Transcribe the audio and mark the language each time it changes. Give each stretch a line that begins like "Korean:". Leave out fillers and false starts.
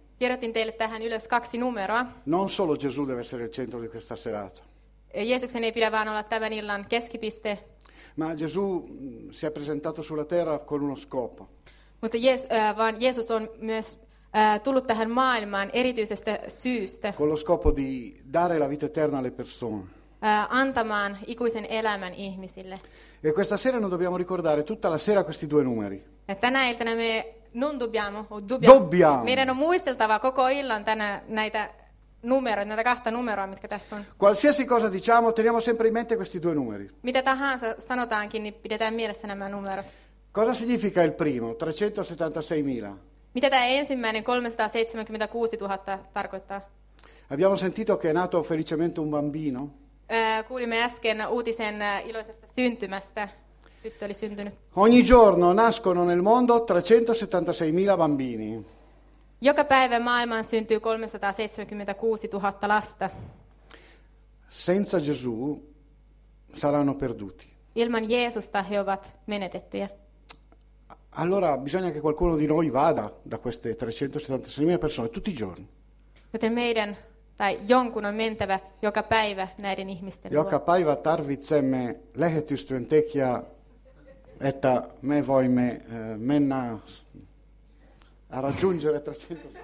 Finnish: Kirjoitin teille tähän ylös kaksi numeroa.
Italian: Non solo Gesù deve essere il centro di questa serata.
Finnish: Jeesuksen ei pidä vaan olla tämän illan keskipiste.
Italian: Ma Gesù si è presentato sulla terra con uno scopo.
Finnish: Mutta vaan Jeesus on myös tullut tähän maailmaan erityisestä syystä.
Italian: Con lo scopo di dare la vita eterna alle persone.
Finnish: Antamaan ikuisen elämän ihmisille.
Italian: E questa sera noi dobbiamo ricordare tutta la sera questi due numeri.
Finnish: Ja tänä iltana me
Italian: non dobbiamo, dobbiamo.
Finnish: Meidän on muisteltava koko illan tänä näitä numeroita, näitä kahta numeroa, mitkä tässä on.
Italian: Qualsiasi cosa diciamo, teniamo sempre in mente questi due numeri.
Finnish: Mitä tahansa sanotaankin, niin pidetään mielessä nämä numerot.
Italian: Cosa significa il primo, 376.000?
Finnish: Mitä tämä ensimmäinen 376.000 tarkoittaa?
Italian: Abbiamo sentito che è nato felicemente un bambino.
Finnish: Kuulimme äsken uutisen iloisesta syntymästä. Tyttö oli syntynyt.
Italian: Ogni giorno nascono nel mondo 376.000 bambini.
Finnish: Joka päivä maailmaan syntyy 376.000 lasta.
Italian: Senza Gesù saranno perduti.
Finnish: Ilman Jeesusta he ovat menetettyjä.
Italian: Allora bisogna che qualcuno di noi vada da queste 376.000 persone tutti i giorni.
Finnish: Joten meidän tai jonkun on mentävä joka päivä näiden ihmisten. Joka päivä tarvitsemme lähetystyöntekijä, että me voimme mennä
Italian: a raggiungere
Finnish: 376.